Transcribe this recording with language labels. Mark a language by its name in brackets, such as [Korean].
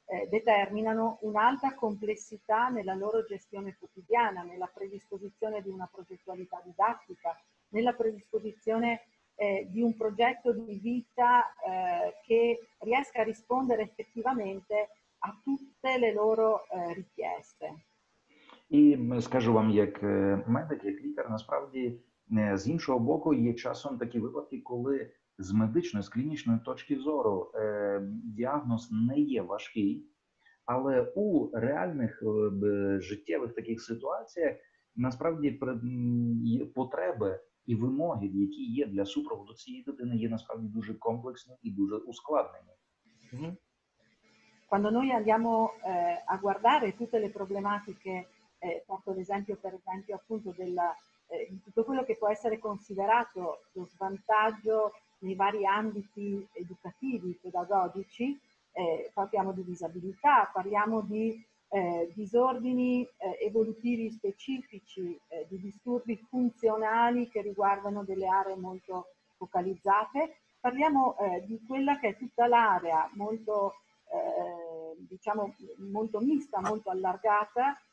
[Italian] determinano un'alta complessità nella loro gestione quotidiana, nella predisposizione di una progettualità didattica, nella predisposizione di un progetto di vita che riesca a rispondere effettivamente a tutte le loro richieste. [Ukrainian] І скажу вам, як медик, як лікар, насправді, з іншого боку, є часом такі випадки, коли з медичної, з клінічної точки зору діагноз не є важкий, але у реальних життєвих таких ситуаціях насправді потреби і вимоги, які є для супроводу цієї дитини, є насправді дуже комплексні і дуже ускладнені. [Italian] Quando noi andiamo a guardare tutte le problematiche, porto l'esempio per esempio appunto di tutto quello che può essere considerato lo svantaggio nei vari ambiti educativi, pedagogici, parliamo di disabilità, parliamo di disordini evolutivi specifici, di disturbi funzionali che riguardano delle aree molto focalizzate, parliamo di quella che è tutta l'area molto, diciamo, molto mista, molto allargata,